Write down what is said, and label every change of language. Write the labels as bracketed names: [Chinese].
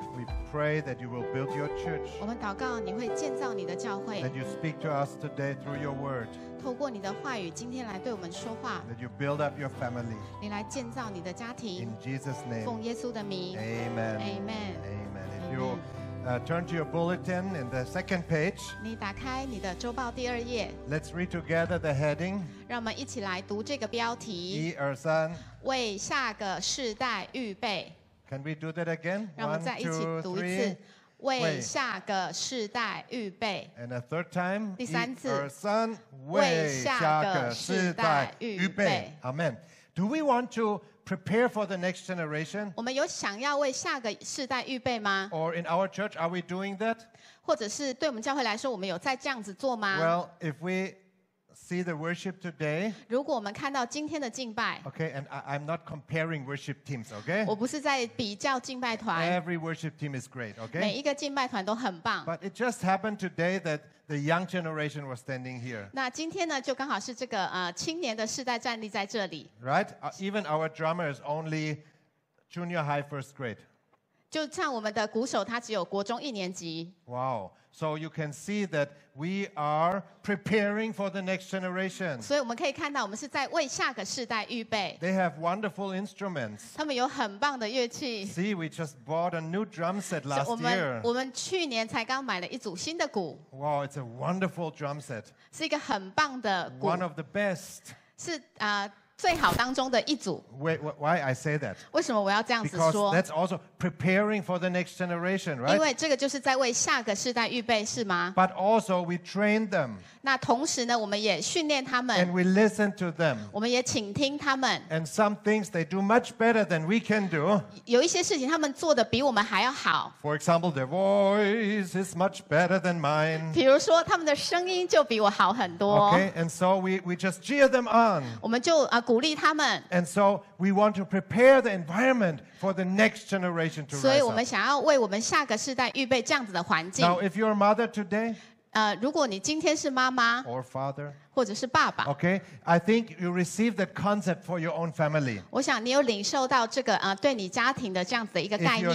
[English] We pray that you will build your church. [Chinese] 我们祷告你会建造你的教会。 [English] That you speak to us today through your word. [Chinese] 透过你的话语今天来对我们说话。 [English] That you build up your family. [Chinese] 你来建造你的家庭。 [English] In Jesus' name. [Chinese] 奉耶稣的名。 [English] Amen. Amen. Amen. If you turn to your bulletin in the second page. [Chinese] 你打开你的周报第二页。 [English] Let's read together the heading. [Chinese] 让我们一起来读这个标题。一二三。为下个世代预备。 [English] Can we do that again? [Chinese] 让我们再一起读一次。为下个世代预备。 [English] And a third time. [Chinese] 第三次。一二三。为下个世代预备。 [English] Amen. Do we want to prepare for the next generation? [Chinese] 我们有想要为下个世代预备吗？ [English] Or in our church, are we doing that? [Chinese] 或者是对我们教会来说，我们有在这样子做吗？ [English] Well, if we see the worship today. [Chinese] 如果我们看到今天的敬拜。 [English] Okay, and I'm not comparing worship teams. Okay. [Chinese] 我不是在比较敬拜团。 [English] Every worship team is great. Okay. [Chinese] 每一个敬拜团都很棒。 [English] But it just happened today that the young generation was standing here. [Chinese] 那今天呢，就刚好是这个青年的世代站立在这里。 [English] Right. Even our drummer is only junior high first grade. [Chinese] 就像我们的鼓手，他只有国中一年级。 [English] Wow. So you can see that. We are preparing for the next generation. [Chinese] 所以我们可以看到，我们是在为下个世代预备。 [English] They have wonderful instruments. [Chinese] 他们有很棒的乐器。 [English] See, we just bought a new drum set last year. [Chinese] 我们去年才刚买了一组新的鼓。 [English] Wow, it's a wonderful drum set. [Chinese] 是一个很棒的鼓。 [English] One of the best. [Chinese] 是最好当中的一组。 [English] Why I say that? [Chinese] 为什么我要这样子说？ [English] Because that's also preparing for the next generation, right? [Chinese] 因为这个就是在为下个世代预备，是吗？ [English] But also we train them. [Chinese] 那同时呢，我们也训练他们。 [English] And we listen to them. [Chinese] 我们也倾听他们。 [English] And some things they do much better than we can do. [Chinese] 有一些事情他们做的比我们还要好。 [English] For example, their voice is much better than mine. [Chinese] 比如说他们的声音就比我好很多。 [English] Okay, and so we just cheer them on. [Chinese] 我们就鼓励他们。 [English] And so we want to prepare the environment for the next generation to rise up. [Chinese] 所以我们想要为我们下个世代预备这样子的环境。 [English] Now, if you're a mother today, [Chinese] 如果你今天是妈妈 [English] or father, [Chinese] 或者是爸爸 [English] okay, I think you receive that concept for your own family. [Chinese] 我想你有领受到这个对你家庭的这样子的一个概念。